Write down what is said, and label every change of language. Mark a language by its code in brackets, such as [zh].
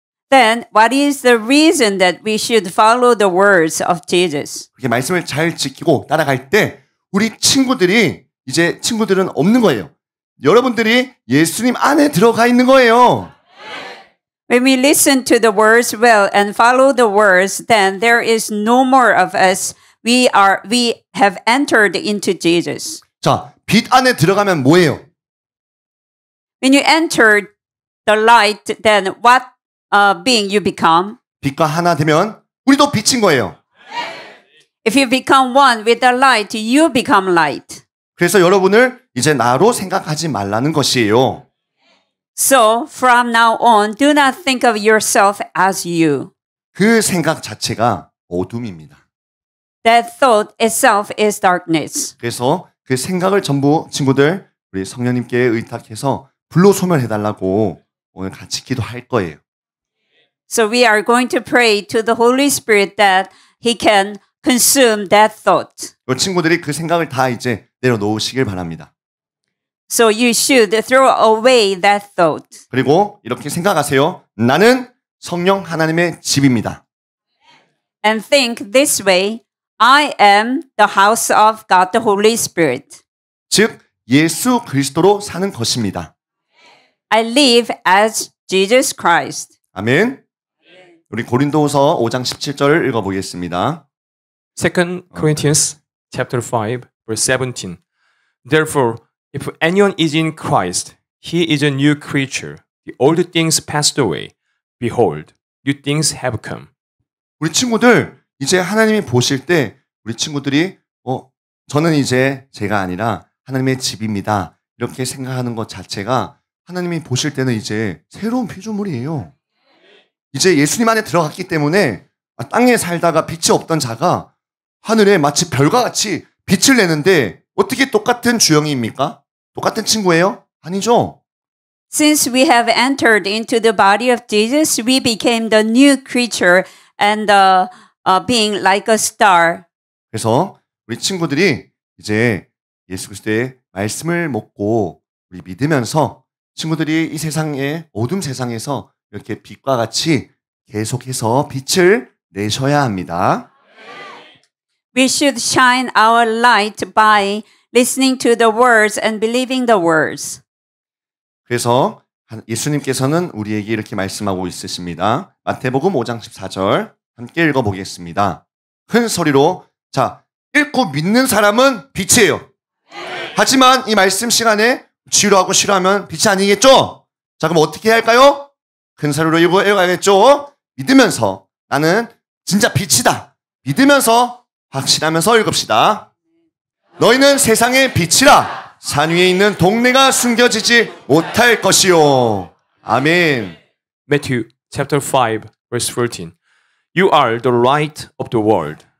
[en] Then what is the reason that we should follow the words of Jesus? [ko] 그렇게 말씀을 잘 지키고 따라갈 때 우리 친구들이 이제 친구들은 없는 거예요. 여러분들이 예수님 안에 들어가 있는 거예요. [en] When we listen to the words well and follow the words, then there is no more of us. We have entered into Jesus. [ko] 자, 빛 안에 들어가면 뭐예요? [en] When you enter the light, then what being you become? [ko] 빛과 하나 되면 우리도 빛인 거예요. [en] If you become one with the light, you become light. [ko] 그래서 여러분을 이제 나로 생각하지 말라는 것이에요. [en] So from now on, do not think of yourself as you. [ko] 그 생각 자체가 어둠입니다. [en] That thought itself is darkness. [ko] 그래서 그 생각을 전부 친구들 우리 성령님께 의탁해서 불로 소멸해달라고 오늘 같이 기도할 거예요. [en] So we are going to pray to the Holy Spirit that He can consume that thought. [ko] 이 친구들이 그 생각을 다 이제 내려놓으시길 바랍니다. [en] So you should throw away that thought. [ko] 그리고 이렇게 생각하세요. 나는 성령 하나님의 집입니다. [en] And think this way. I am the house of God, the Holy Spirit. [ko] 즉 예수 그리스도로 사는 것입니다. [en] I live as Jesus Christ. [ko] 아멘. 우리 고린도후서 5장 17절 읽어보겠습니다. [en] 2 Corinthians chapter 5 verse 17. Therefore, if anyone is in Christ, he is a new creature. The old things passed away. Behold, new things have come. [ko] 우리 친구들 이제 하나님이 보실 때 우리 친구들이 저는 이제 제가 아니라 하나님의 집입니다. 이렇게 생각하는 것 자체가 하나님이 보실 때는 이제 새로운 피조물이에요. 이제 예수님 안에 들어갔기 때문에 땅에 살다가 빛이 없던 자가 하늘에 마치 별과 같이 빛을 내는데 어떻게 똑같은 주영이입니까? 똑같은 친구예요? 아니죠? [en] Since we have entered into the body of Jesus, we became the new creature and the being like a star. [ko] 그래서 우리 친구들이 이제 예수 그리스도의 말씀을 먹고 우리 믿으면서 친구들이 이 세상에 어둠 세상에서 이렇게 빛과 같이 계속해서 빛을 내셔야 합니다. [en] We should shine our light by listening to the words and believing the words. [ko] 그래서 예수님께서는 우리에게 이렇게 말씀하고 있으십니다. 마태복음 5장 14절 함께 읽어보겠습니다. 큰 소리로 자 읽고 믿는 사람은 빛이에요. 하지만 이 말씀 시간에 지루하고 싫어하면 빛이 아니겠죠? 자 그럼 어떻게 해야 할까요? 큰 소리로 읽어야겠죠? 믿으면서 나는 진짜 빛이다. 믿으면서 확신하면서 읽읍시다. 너희는 세상의 빛이라 산 위에 있는 동네가 숨겨지지 못할 것이요. 아멘. [en] Matthew chapter 5 verse 14. You are the light of the world.